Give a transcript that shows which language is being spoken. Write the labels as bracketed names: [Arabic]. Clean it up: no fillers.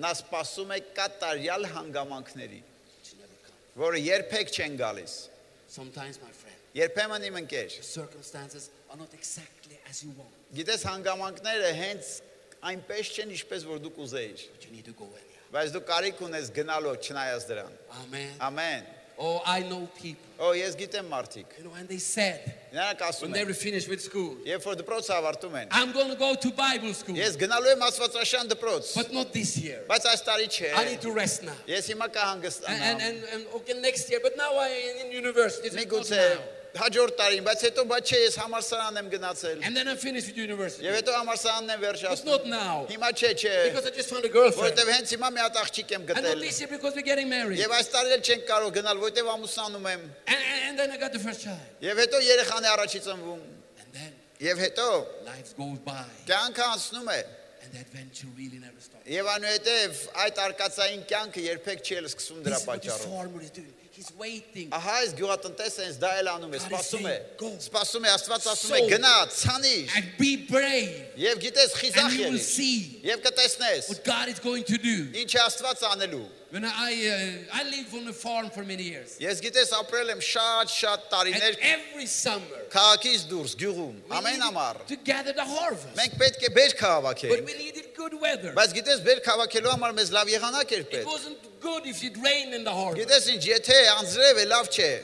[Armenian] Նա սպասում է կատարյալ հանգամանքների, որը երբեք չեն գալիս։ [English] Sometimes my friend. [Armenian] Երբեմն իմ ընկեր։ [English] Circumstances are not exactly as you want. [Armenian] Գիտես հանգամանքները հենց այնպես չեն, ինչպես որ դու կուզեիր։ [English] You need to go in. [Armenian] Բայց դու կարիք ունես գնալու չնայած դրան։ [English] Amen. Amen. Oh, I know people. Oh, yes, get them, Martik. You know, and they said, when they were finished with school, I'm going to go to Bible school. [Armenian] Yes, գնալու եմ աստվածաշան դպրոց. [English] But not this year. [Armenian] Բայց այս տարի չէ. [English] I need to rest now. [Armenian] Yes, հիմա կհանգստանամ. [English] And okay, next year, but now I'm in university. It's not now. [Armenian] Հաջորդ տարին, բայց հետո բա չէ, ես համալսարան եմ գնացել։ [English] And then I finished with university. [Armenian] Եվ հետո համալսարանն եմ վերջացել։ [English] It's not now. [Armenian] Հիմա չէ, չէ։ [English] Because I just found a girlfriend. [Armenian] Որտեվ հենց հիմա մի հատ աղջիկ եմ գտել։ [English] And not this year because we're getting married. [Armenian] Եվ այս տարի էլ չենք կարող գնալ, որտեվ ամուսնանում եմ։ [English] And then I got the first child. [Armenian] Եվ հետո երեխան է առաջի ծնվում։ [English] And then [Armenian] Եվ հետո [English] life goes by. [Armenian] Կյանքը անցնում է։ [English] And the adventure really never stops. [Armenian] Եվանուհետև այդ արկածային կյանքը երբեք չի սկսում դրա պատճառով. [English] He's waiting. [Armenian] Ահա այս գյուղատնտեսը այս դա էլ անում է, սպասում է. Սպասում է, Աստված ասում է, գնա, ցանիր. [English] And be brave. [Armenian] Եվ գիտես, խիզախ ես. Եվ կտեսնես. [English] What God is going to do. [Armenian] Ինչ Աստված անելու. [English] When I lived on a farm for many years. [Armenian] Ես գիտես, ապրել եմ շատ տարիներ. [English] And every summer. [Armenian] Քաղաքից դուրս գյուղում, ամեն ամառ. [English] To gather the harvest. [Armenian] Մենք պետք է բերք հավաքենք. [English] But we needed good weather. [Armenian] Բայց գիտես, բերք հավաքելու համար մեզ լավ եղանակ էր պետք. [English] Good if it rained in the harvest. [Armenian] Գիտես ինչ, եթե անձրև է, լավ չէ.